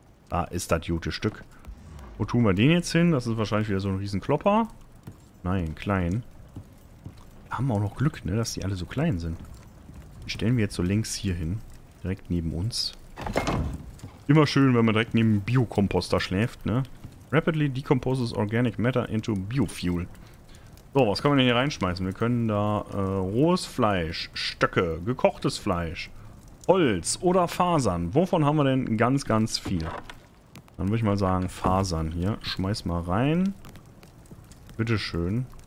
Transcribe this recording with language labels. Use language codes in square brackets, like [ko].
[de] Da ist das gute Stück. Wo tun wir den jetzt hin? Das ist wahrscheinlich wieder so ein Riesenklopper. Nein, klein. Wir haben auch noch Glück, ne, dass die alle so klein sind. Die stellen wir jetzt so längs hier hin. Direkt neben uns. Immer schön, wenn man direkt neben einem Biokomposter schläft, ne? [en] Rapidly decomposes organic matter into biofuel. [de] So, was können wir denn hier reinschmeißen? Wir können da rohes Fleisch, Stöcke, gekochtes Fleisch, Holz oder Fasern. Wovon haben wir denn ganz, ganz viel? Dann würde ich mal sagen, Fasern hier. Schmeiß mal rein. Bitteschön.